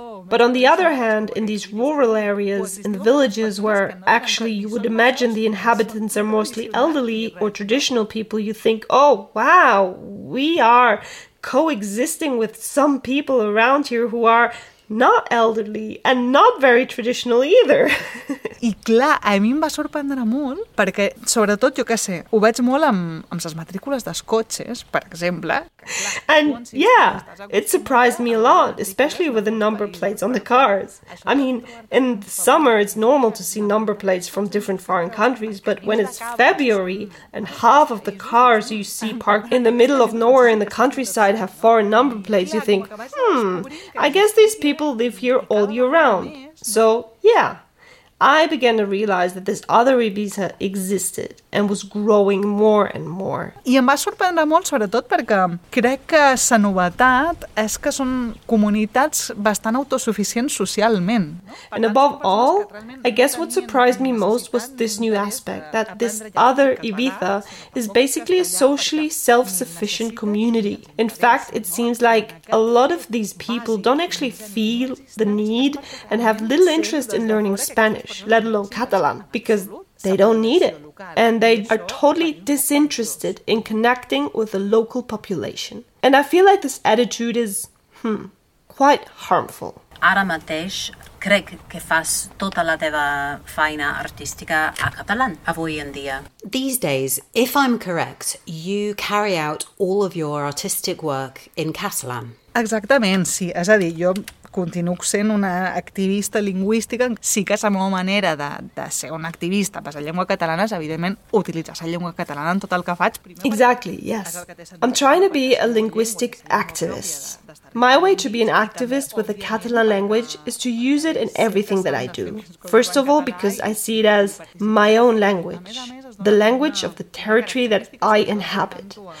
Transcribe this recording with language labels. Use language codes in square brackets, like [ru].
[en] But on the other hand, in these rural areas, in the villages where actually you would imagine the inhabitants are mostly elderly or traditional people, you think, oh, wow, we are coexisting with some people around here who are not elderly and not very traditional either. [ca] I clar, a mi em va sorprendre molt perquè, sobretot, jo què sé, ho veig molt amb les matrícules dels cotxes, per exemple. [en] And yeah, it surprised me a lot, especially with the number plates on the cars. I mean, in the summer it's normal to see number plates from different foreign countries, but when it's February and half of the cars you see parked in the middle of nowhere in the countryside have foreign number plates, you think, I guess these people live here all year round. So, yeah. I began to realize that this other Ibiza existed and was growing more and more. [ca] I em va sorprendre molt, sobretot perquè crec que la novetat és que són comunitats bastant autosuficients socialment. [en] And above all, I guess what surprised me most was this new aspect, that this other Ibiza is basically a socially self-sufficient community. In fact, it seems like a lot of these people don't actually feel the need and have little interest in learning Spanish. Let alone Catalan, because they don't need it. And they are totally disinterested in connecting with the local population. And I feel like this attitude is, quite harmful. [ca] Ara mateix crec que fas tota la teva feina artística a Catalan, avui en dia. [en] These days, if I'm correct, you carry out all of your artistic work in Catalan. [ca] Exactament, sí. És a dir, jo continuo sent una activista lingüística. Sí que és la meva manera de ser una activista per la llengua catalana és, evidentment, utilitzar la llengua catalana en tot el que faig. [en] Exactly, yes. I'm trying to be a linguistic activist. My way to be an activist with the Catalan language is to use it in everything that I do. First of all, because I see it as my own language, the language of the territory that I inhabit.